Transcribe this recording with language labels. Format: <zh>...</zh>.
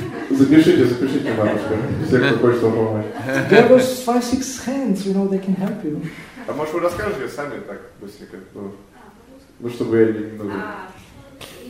<ru>Запишите, бабушка, всех, кто хочет вам помочь.</ru> <en>There was 5-6 hands, you know, they can help you.</en> <ru>А может вы расскажете сами так, быстренько, ну, чтобы я не...</ru>